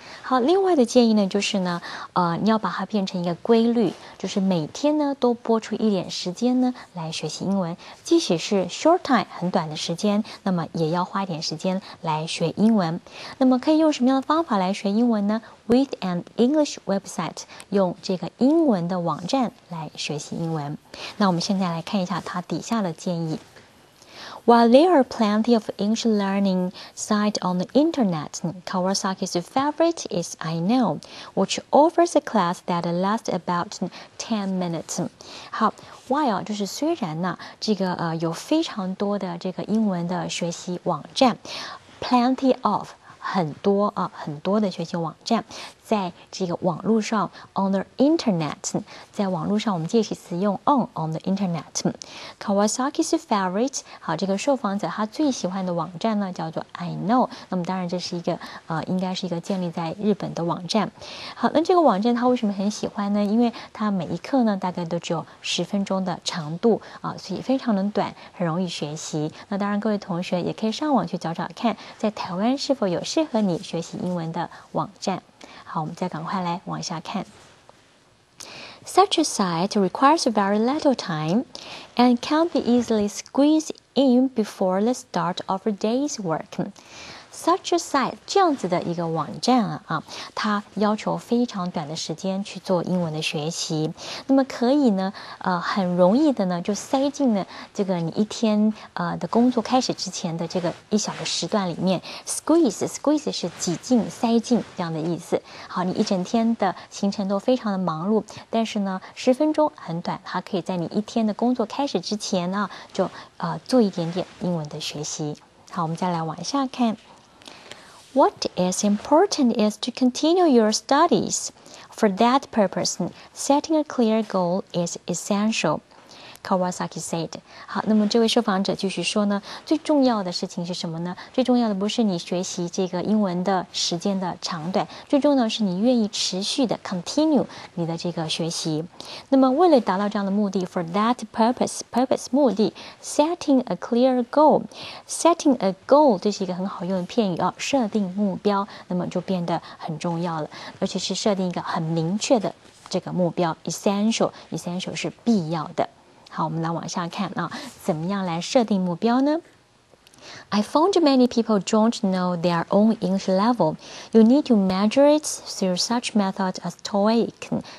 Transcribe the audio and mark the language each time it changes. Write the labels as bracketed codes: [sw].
[zh] 好，另外的建议呢，就是呢，你要把它变成一个规律，就是每天呢都播出一点时间呢来学习英文，即使是 short time 很短的时间，那么也要花一点时间来学英文。那么可以用什么样的方法来学英文呢？ [en] With an English website, [zh] 用这个英文的网站来学习英文。那我们现在来看一下它底下的建议。 [en] While there are plenty of English learning sites on the internet, Kawasaki's favorite is iKnow, which offers a class that lasts about 10 minutes. [zh] 好 ,while, 就是虽然呢，这个有非常多的这个英文的学习网站 ,plenty of,很多啊，很多的学习网站，在这个网络上 ， [en] on the internet， [zh] 在网络上，我们介系词用 on the internet。 Kawasaki's favorite， 好，这个受访者他最喜欢的网站呢，叫做 iKnow。那么当然这是一个应该是一个建立在日本的网站。好，那这个网站他为什么很喜欢呢？因为他每一课呢，大概都只有10分钟的长度啊，所以非常的短，很容易学习。那当然，各位同学也可以上网去找找看，在台湾是否有适合你学习英文的网站。好，我们再赶快来往下看。 [en] Such a site requires very little time and can be easily squeezed in before the start of a day's work. Such a site [zh] 这样子的一个网站啊，它要求非常短的时间去做英文的学习，那么可以呢，很容易的呢就塞进了这个你一天的工作开始之前的这个一小个时段里面。 Squeeze 是挤进、塞进这样的意思。好，你一整天的行程都非常的忙碌，但是呢，十分钟很短，它可以在你一天的工作开始之前呢，就做一点点英文的学习。好，我们再来往下看。 [en] What is important is to continue your studies. For that purpose, setting a clear goal is essential. Kawasaki said. [zh] 好，那么这位受访者继续说呢，最重要的事情是什么呢？最重要的不是你学习这个英文的时间的长短，最重要的是你愿意持续的 continue 你的这个学习。那么为了达到这样的目的 ，for that purpose 目的 ， [en] setting a clear goal， [zh] setting a goal 这是一个很好用的片语啊，设定目标，那么就变得很重要了，而且是设定一个很明确的这个目标 ，essential 是必要的。好，我们来往下看啊，怎么样来设定目标呢？ [en] I found many people don't know their own English level. You need to measure it through such methods as TOEIC,